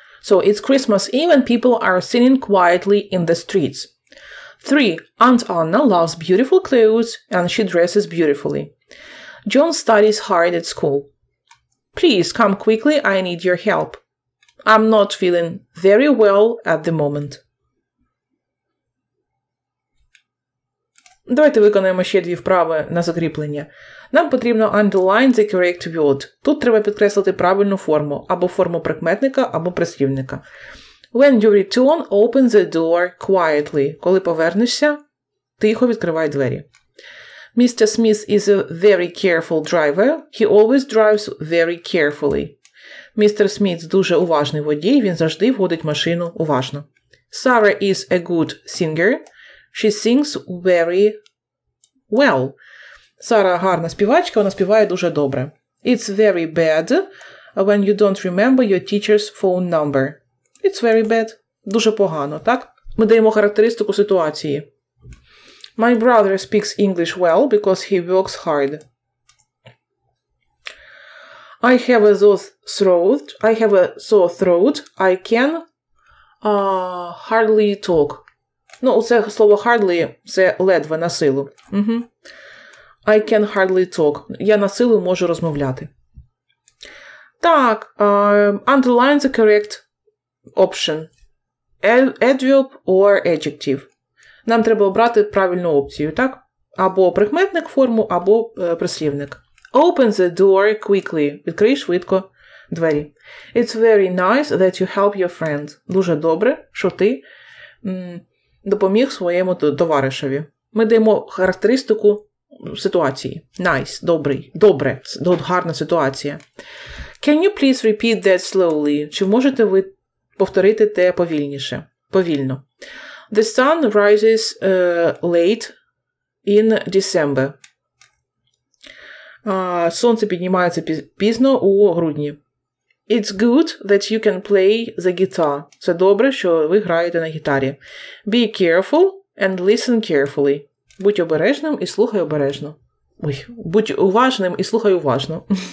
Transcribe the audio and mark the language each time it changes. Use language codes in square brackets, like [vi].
[en] So it's Christmas Eve and people are singing quietly in the streets. 3. Aunt Anna loves beautiful clothes and she dresses beautifully. John studies hard at school. Please come quickly, I need your help. I'm not feeling very well at the moment. [uk] Давайте виконуємо ще дві вправи на закріплення. Нам потрібно [en] underline the correct word. [uk] Тут треба підкреслити правильну форму, або форму прикметника, або прислівника. [en] When you return, open the door quietly. [uk] Коли повернешся, тихо відкривай двері. [en] Mr. Smith is a very careful driver. He always drives very carefully. Mr. [uk] Smith дуже уважний водій, він завжди водить машину уважно. [en] Sarah is a good singer. She sings very well. [uk] Сара гарна співачка, вона співає дуже добре. [en] It's very bad when you don't remember your teacher's phone number. It's very bad. [uk] Дуже погано, так? Ми даємо характеристику ситуації. [en] My brother speaks English well because he works hard. I have a sore throat. I have a sore throat. I can hardly talk. [uk] Ну, це слово hardly – це ледве, на силу. Угу. [en] I can hardly talk. [uk] Я на силу можу розмовляти. [en] Так, underline the correct option. Adverb or adjective. [uk] Нам треба обрати правильну опцію, так? Або прикметник форму, або прислівник. [en] Open the door quickly. [uk] Відкрий швидко двері. [en] It's very nice that you help your friend. [uk] Дуже добре, що ти допоміг своєму товаришеві. Ми даємо характеристику ситуації. Nice, добрий, добре, гарна ситуація. [en] Can you please repeat that slowly? [uk] Чи можете ви повторити те повільніше? Повільно. [en] The sun rises late in December. [uk] Сонце піднімається пізно у грудні. [en] It's good that you can play the guitar. [uk] Це добре, що ви граєте на гітарі. [en] Be careful and listen carefully. [uk] Будь обережним і слухай обережно. Ой, будь уважним і слухай уважно.